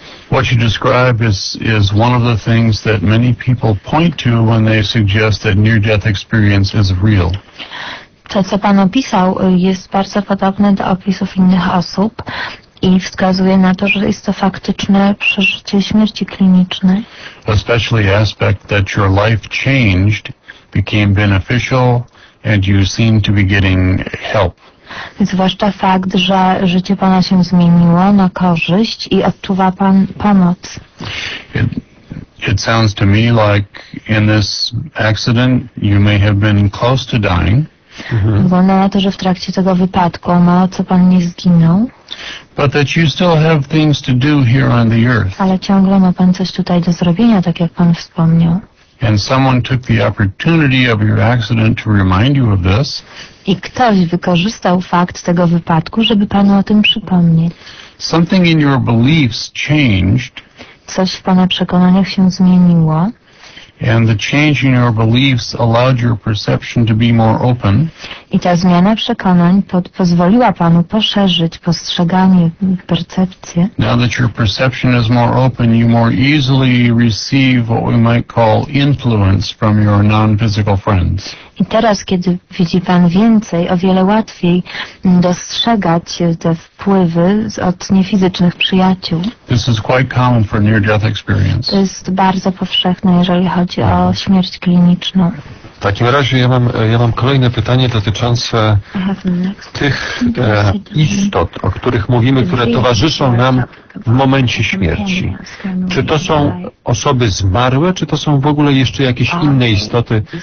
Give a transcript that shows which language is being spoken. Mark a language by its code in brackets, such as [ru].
[en] What you describe is one of the things that many people point to when they suggest that near-death experience is real. [pl] To, co pan opisał, jest bardzo podobne do opisów innych osób i wskazuje na to, że jest to faktyczne przeżycie śmierci klinicznej. [en] Especially aspect that your life changed, became beneficial, and you seem to be getting help. [pl] Zwłaszcza fakt, że życie pana się zmieniło na korzyść i odczuwa pan pomoc. [en] It sounds to me like in this accident you may have been close to dying. [pl] Wygląda na to, że w trakcie tego wypadku mało co pan nie zginął. [en] But that you still have things to do here on the earth. [pl] Ale ciągle ma pan coś tutaj do zrobienia, tak jak pan wspomniał. [en] and someone took the opportunity of your accident to remind you of this. [pl] I ktoś wykorzystał fakt tego wypadku, żeby panu o tym przypomnieć. [en] Something in your beliefs changed. [pl] Coś w pana przekonaniach się zmieniło. [en] And the change in your beliefs allowed your perception to be more open. [pl] I ta zmiana przekonań pozwoliła panu poszerzyć postrzeganie, percepcję. [en] Now that your perception is more open, you more easily receive what we might call influence from your non-physical friends. [pl] I teraz, kiedy widzi pan więcej, o wiele łatwiej dostrzegać te wpływy od niefizycznych przyjaciół. [en] This is quite common for near-death experience. [pl] To jest bardzo powszechne, jeżeli chodzi o śmierć kliniczną. W takim razie ja mam kolejne pytanie dotyczące tych istot, o których mówimy, które towarzyszą nam w momencie śmierci. Czy to są osoby zmarłe, czy to są w ogóle jeszcze jakieś inne istoty?